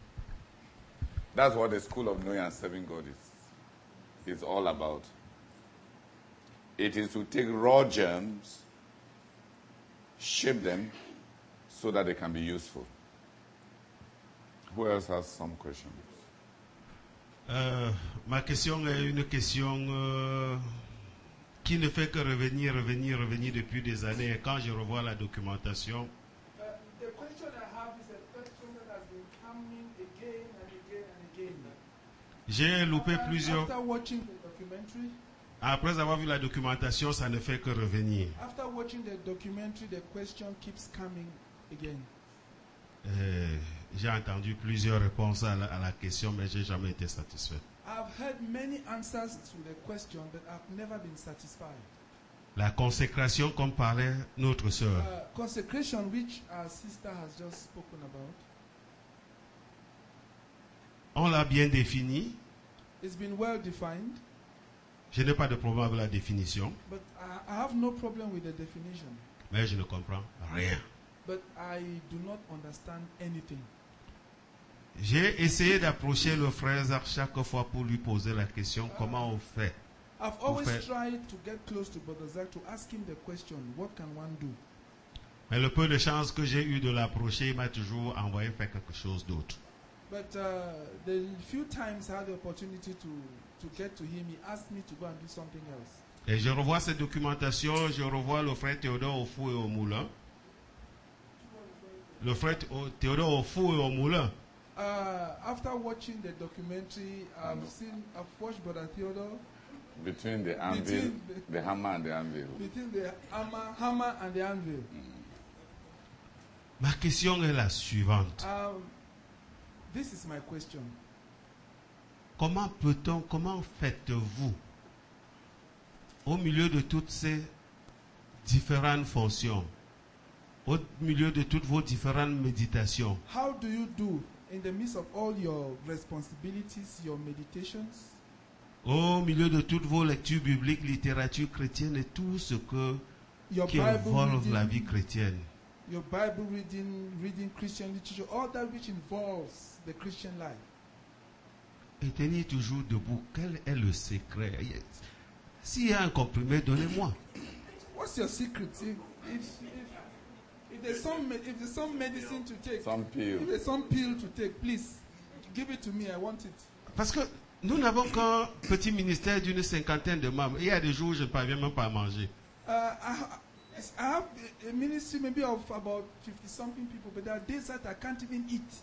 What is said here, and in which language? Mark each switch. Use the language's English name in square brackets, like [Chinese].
[English] Oh. That's what the School of Knowing and Serving God is all about. It is to take raw germs, shape them so that they can be useful. Who else has some questions? [French] Ma question est une question qui ne fait que revenir depuis des années. Et quand je revois la documentation, [English] the question I have is a question that has been coming again. [French] J'ai loupé plusieurs. [English] After watching the documentary, [French] après avoir vu la documentation, ça ne fait que revenir. [English] After watching the documentary, the question keeps coming again. [French] J'ai entendu plusieurs réponses à la question, mais je n'ai jamais été satisfait. [English] I've heard many answers to the question, but I've never been satisfied. [French] La consécration, comme parlait notre sœur. [English] Consecration, which our sister has just spoken about. [French] On l'a bien défini. [English] It's been well defined. [French] Je n'ai pas de problème avec la définition. [English] But I have no problem with the definition. [French] Mais je ne comprends rien. [English] But I do not understand anything. [French] J'ai essayé d'approcher le frère Zach chaque fois pour lui poser la question, comment on fait? [English] I've always tried to get close to Brother Zach to ask him the question, what can one do? [French] Mais le peu de chance que j'ai eu de l'approcher, il m'a toujours envoyé faire quelque chose d'autre. [English] But the few times I had the opportunity to get to him, he asked me to go and do something else. [French] Et je revois cette documentation, je revois le frère Théodore au four et au moulin. Le frère Théodore au four et au moulin. [English] After watching the documentary, I've watched Brother Theodore. Between the anvil, the hammer and the anvil. Between the hammer and the anvil. Mm. [French] Ma question est la suivante. [English] This is my question. [French] Comment faites-vous au milieu de toutes ces différentes fonctions, au milieu de toutes vos différentes méditations? [English] How do you do in the midst of all your responsibilities, your meditations? [French] Au milieu de toutes vos lectures bibliques, littérature chrétienne et tout ce que [English] your [French] qui involve la vie chrétienne. [English] Your Bible reading Christian literature, all that which involves the Christian life. [French] Et tenir toujours debout, quel est le secret? S'il y a un comprimé, donnez-moi. [English] What's your secret? If there's some medicine to take, some pill. If there's some pill to take, please give it to me. I want it. [French] Parce que nous n'avons qu'un petit ministère d'une cinquantaine de membres. Il y a des jours où je ne parviens même pas à manger. [English] I have a ministry maybe of about 50 something people, but there are days that I can't even eat.